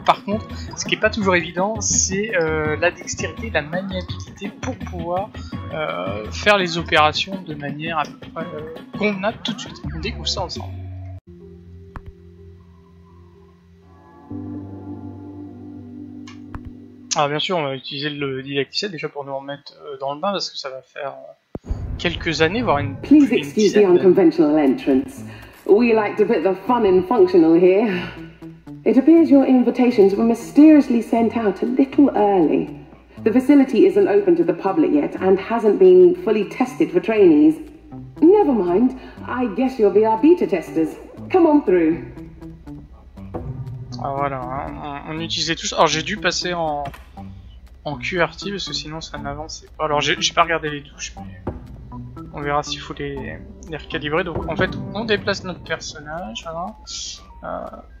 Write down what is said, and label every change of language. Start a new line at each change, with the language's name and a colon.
French: Par contre, ce qui n'est pas toujours évident, c'est la dextérité, la maniabilité pour pouvoir faire les opérations de manière à peu près convenable tout de suite. On découvre ça ensemble. Alors bien sûr, on va utiliser le didacticiel déjà pour nous remettre dans le bain, parce que ça va faire quelques années, voire une dizaine d'années.
English: Please excuse the unconventional entrance. We like to put the fun in functional here. It appears your invitations were mysteriously sent out a little early. The facility isn't open to the public yet and hasn't been fully tested for trainees. Never mind, I guess you'll be our beta testers. Come on through.
French: Ah voilà, on utilisait tous. Alors j'ai dû passer en QRT parce que sinon ça n'avançait pas. Alors j'ai pas regardé les touches, mais on verra s'il faut les recalibrer. Donc en fait, on déplace notre personnage. Voilà.